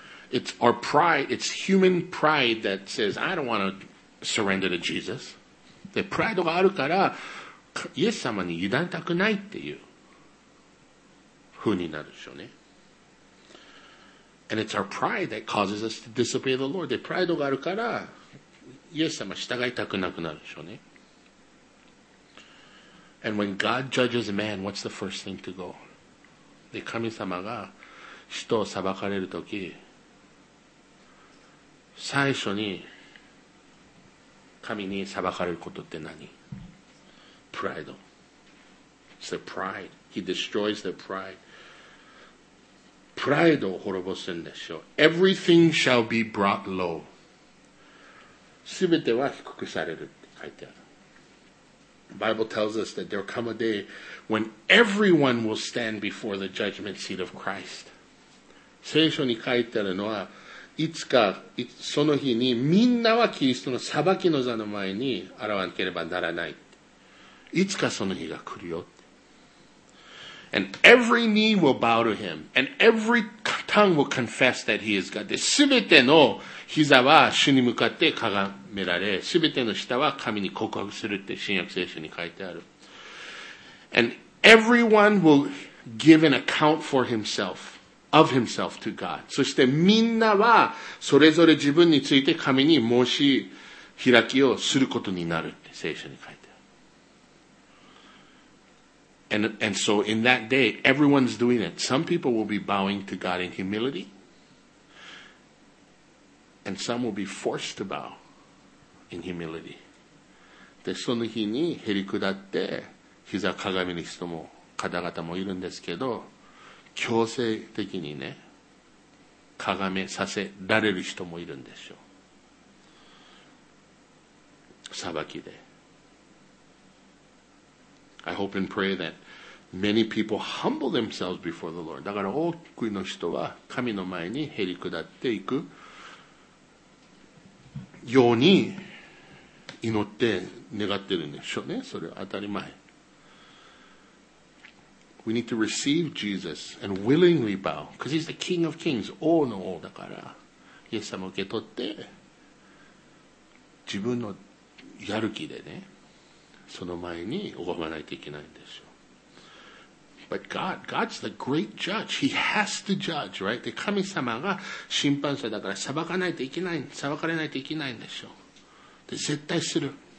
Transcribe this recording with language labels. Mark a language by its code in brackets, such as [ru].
[en] It's our pride, it's human pride that says, I don't want to surrender to Jesus. [ja] で、プライドがあるから、イエス様に委ねたくないっていう風になるでしょうね。 [en] And it's our pride that causes us to disobey the Lord. [ja] で、プライドがあるから、イエス様従いたくなくなるでしょうね。 [en] And when God judges a man, what's the first thing to go? [ja] で、神様が人を裁かれるとき、最初に神に裁かれることって何? [en] Pride. It's their pride. He destroys their pride. [ja] Pride を滅ぼすんでしょう。 [en] Everything shall be brought low. [ja] すべては低くされるって書いてある。 [en] Bible tells us that there will come a day when everyone will stand before the judgment seat of Christ. [ja] 聖書に書いてあるのは、いつかいつその日にみんなはキリストの裁きの座の前に現わなければならない。いつかその日が来るよ。 [en] And every knee will bow to him, and every tongue will confess that he is God. [ja] で、すべての膝は主に向かってかがめられ、すべての舌は神に告白するって新約聖書に書いてある。 [en] And everyone will give an account for himself, of himself to God. [ja] そしてみんなはそれぞれ自分について神に申し開きをすることになるって聖書に書いてある。 [en] And so in that day, everyone's doing it. Some people will be bowing to God in humility, and some will be forced to bow in humility. [ja] で、その日にへり下って膝をかがめる人も方々もいるんですけど、強制的にね、かがめさせられる人もいるんでしょう。裁きで。 [en] I hope and pray that many people humble themselves before the Lord. [ja] だから多くの人は神の前にへり下っていくように祈って願ってるんでしょうね。それは当たり前。 [en] We need to receive Jesus and willingly bow, because he's the King of Kings, [ja] 王の王だから。イエス様を受け取って、自分のやる気でね、その前に拝まないといけないんでしょう。 [en] But God's the great judge. He has to judge, right? [ja] で、神様が審判者だから裁かないといけない、裁かれないといけないんでしょう。で、絶対する。